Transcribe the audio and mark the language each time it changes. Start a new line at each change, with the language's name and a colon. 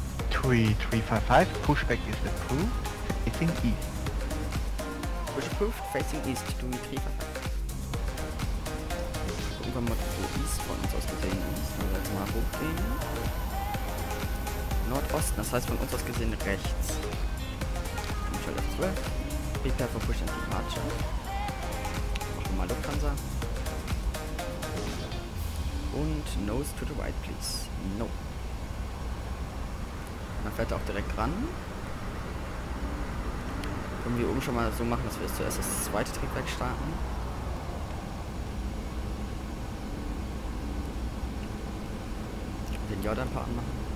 English: 3355, Pushback is approved, facing east. Push approved, facing east, do me 355.
German: Gucken wir mal, wo east von uns aus gesehen ist. Wenn wir jetzt mal hochgehen. Nordosten, das heißt von uns aus gesehen rechts. Control F12.
English: Prepare for push and departure.
German: Machen wir mal Lufthansa.
English: Und nose to the right, please. No.
German: Dann fährt er auch direkt ran. Können wir oben schon mal so machen, dass wir jetzt zuerst das zweite Triebwerk starten. Den Jordan-Part machen.